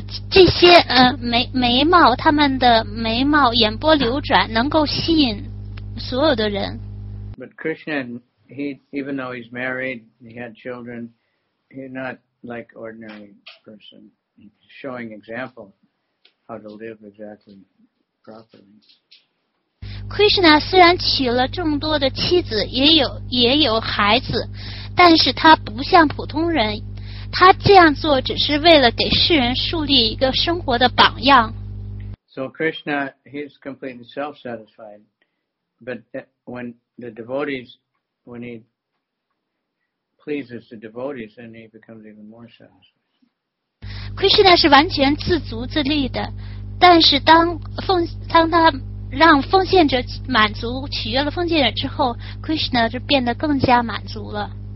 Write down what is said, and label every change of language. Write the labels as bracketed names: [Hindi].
[Chinese] 这些眉毛，他们的眉毛眼波流转，能够吸引所有的人。 [English] But Krishna, he even though he's married, he had children, he's not like ordinary person. He's showing example how to live exactly properly. [Chinese] Krishna 虽然娶了众多的妻子，也有孩子，但是他不像普通人，他这样做只是为了给世人树立一个生活的榜样。 [English] So Krishna, he's completely self-satisfied, but when the devotees, when he pleases the devotees, then he becomes even more satisfied. [Chinese] Krishna 是完全自足自利的，但是当他让奉献者满足，取悦了奉献者之后， Krishna 就变得更加满足了。